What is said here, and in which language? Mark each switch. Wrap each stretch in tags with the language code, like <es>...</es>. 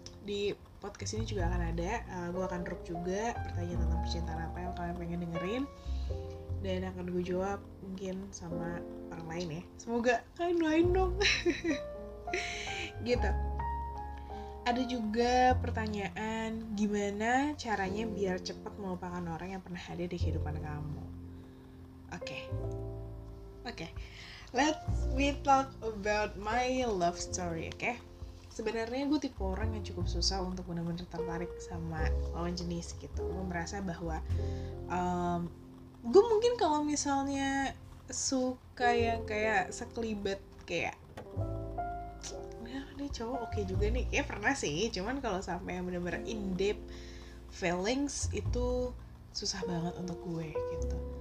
<id>Di podcast ini juga akan ada, gue akan drop juga pertanyaan tentang percintaan apa yang kalian pengen dengerin, dan akan gue jawab mungkin sama orang lain ya, semoga kalian doain dong. Gitu. Ada juga pertanyaan, gimana caranya biar cepat melupakan orang yang pernah ada di kehidupan kamu. Okay.</id> <en>Let's talk about my love story, okay?</en> <id>Sebenarnya gue tipe orang yang cukup susah untuk benar-benar tertarik sama lawan jenis gitu. Gue merasa bahwa gue mungkin kalau misalnya suka yang kayak sekelibet, kayak nah, ini cowok okay juga nih. Ya pernah sih, cuman kalau sampai yang benar-benar</id> <en>in deep feelings</en> <id>itu susah banget untuk gue gitu.</id>